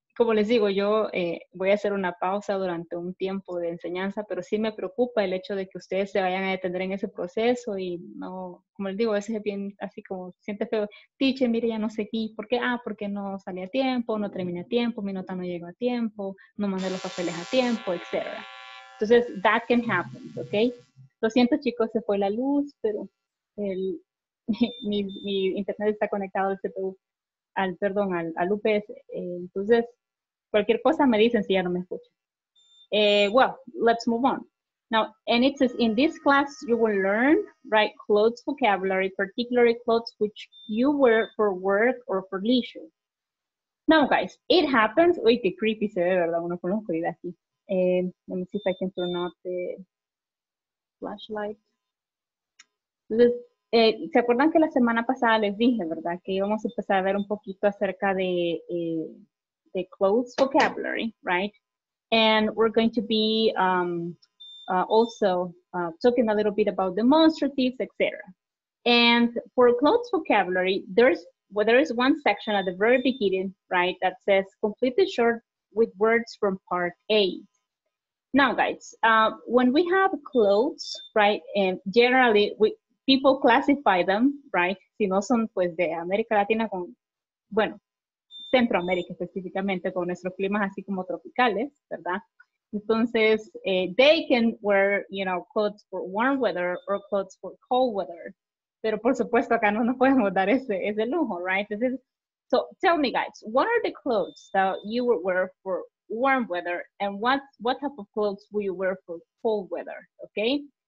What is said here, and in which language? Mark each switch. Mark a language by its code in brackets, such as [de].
[es] como les digo, yo voy a hacer una pausa durante un tiempo de enseñanza, pero sí me preocupa el hecho de que ustedes se vayan a detener en ese proceso y no, como les digo, a veces es bien así como, siente feo, teacher, mire, ya no sé qué, ¿por qué? Ah, porque no salí a tiempo, no terminé a tiempo, mi nota no llegó a tiempo, no mandé los papeles a tiempo, etc. Entonces, [en] that can happen, [es] ¿ok? Lo siento, chicos, se fue la luz, pero mi internet está conectado al CPU. Al UPS, entonces, cualquier cosa me dicen si ya no me escuchan. [en] Well, let's move on. Now, and it says, in this class, you will learn, right, clothes vocabulary, particularly clothes which you wear for work or for leisure. Now, guys, it happens. [es] Uy, qué creepy se ve, ¿verdad? Uno con la oscuridad aquí. [en] Let me see if I can turn off the flashlight. [es] Entonces, ¿se acuerdan que la semana pasada les dije, verdad, que íbamos a empezar a ver un poquito acerca de clothes vocabulary, right? [en] And we're going to be also talking a little bit about demonstratives, etc. And for clothes vocabulary, there is one section at the very beginning, right, that says complete the short with words from part A. Now, guys, when we have clothes, right, and generally we people classify them, right? [es] Si no son, pues, de América Latina con, bueno, Centroamérica específicamente, con nuestros climas así como tropicales, ¿verdad? [en] Entonces, they can wear, you know, clothes for warm weather or clothes for cold weather. [es] Pero, por supuesto, acá no nos podemos dar ese lujo, right? [en] This is, so, tell me, guys, what are the clothes that you would wear for warm weather and what type of clothes will you wear for cold weather, okay?